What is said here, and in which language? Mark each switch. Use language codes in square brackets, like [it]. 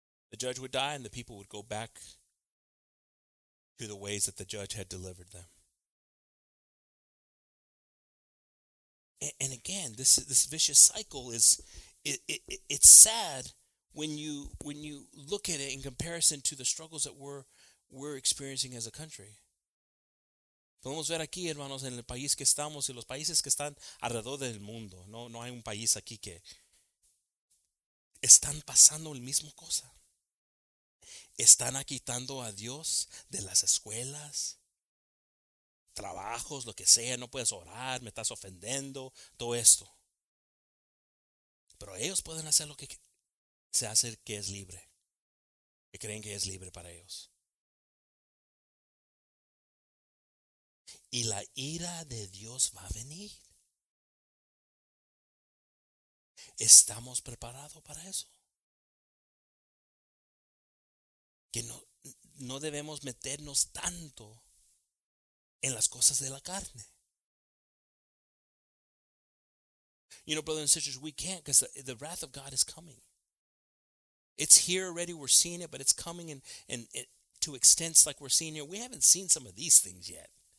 [en] The judge would die and the people would go back to the ways that the judge had delivered them. And again, this vicious cycle is, it's sad when you look at it in comparison to the struggles that we're experiencing as a country. [es] Podemos ver aquí, hermanos, en el país que estamos y los países que están alrededor del mundo. No hay un país aquí que están pasando el mismo cosa. Están quitando a Dios de las escuelas, trabajos, lo que sea. No puedes orar, me estás ofendiendo, todo esto. Pero ellos pueden hacer lo que se hace que es libre. Que creen que es libre para ellos. Y la ira de Dios va a venir. ¿Estamos preparados para eso? Que no debemos meternos tanto en las cosas de la carne. [en] You know, brothers and sisters, we can't, because the wrath of God is coming. It's here already, we're seeing it, but it's coming and to extents like we're seeing here. We haven't seen some of these things yet.